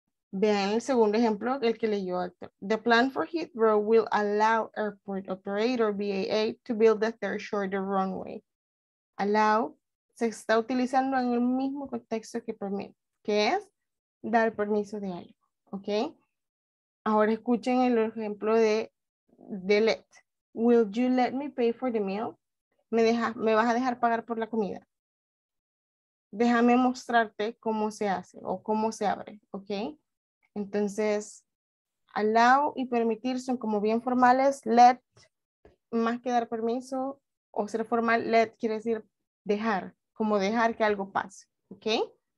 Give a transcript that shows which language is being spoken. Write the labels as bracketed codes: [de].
[es] Vean el segundo ejemplo, el que leyó. [en] The plan for Heathrow will allow airport operator BAA to build a third shorter runway. [es] Allow se está utilizando en el mismo contexto que permit, que es dar permiso de algo, ¿ok? Ahora escuchen el ejemplo de let. [en] Will you let me pay for the meal? [es] ¿Me vas a dejar pagar por la comida? Déjame mostrarte cómo se hace o cómo se abre, ¿ok? Entonces, allow y permitir son como bien formales. Let, más que dar permiso o ser formal, let quiere decir dejar, como dejar que algo pase, ¿ok?